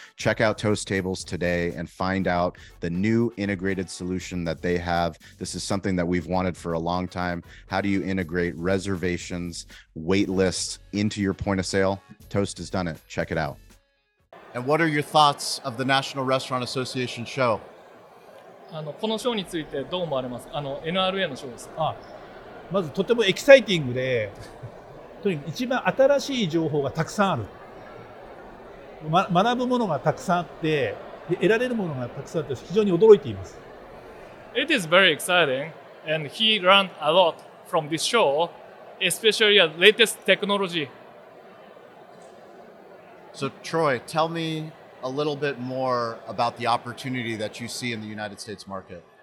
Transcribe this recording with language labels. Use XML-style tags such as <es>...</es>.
<en>Check out Toast Tables today and find out the new integrated solution that they have. This is something that we've wanted for a long time. How do you integrate reservations, wait lists into your point of sale? Toast has done it. Check it out. And what are your thoughts of the National Restaurant Association show?</en> <ja>このショーについてどう思われますか？ NRA のショーです。まずとてもエキサイティングで、とにかく一番新しい情報がたくさんある。学ぶものがたくさんあって、得られるものがたくさんあって、非常に驚いています。</ja> <en>It is very exciting, and he learned a lot from this show, especially the latest technology. So Troy, tell me a little bit more about the opportunity that you see in the United States market.</en>